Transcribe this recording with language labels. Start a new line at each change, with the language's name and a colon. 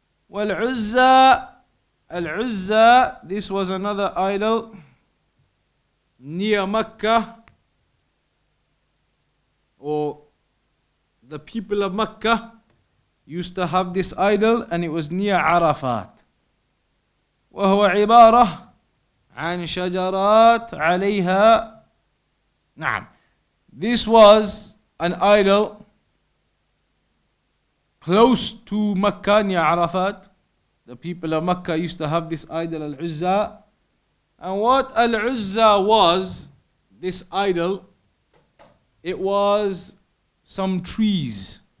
English: والعزة, العزة, this was another idol near Mecca, or the people of Mecca used to have this idol, and it was near Arafat.
Arabic: وهو عبارة عن شجرات عليها. نعم.
English: This was an idol close to Mecca near Arafat. The people of Mecca used to have this idol, Al-Uzza. And what Al-Uzza was, this idol, it was some trees.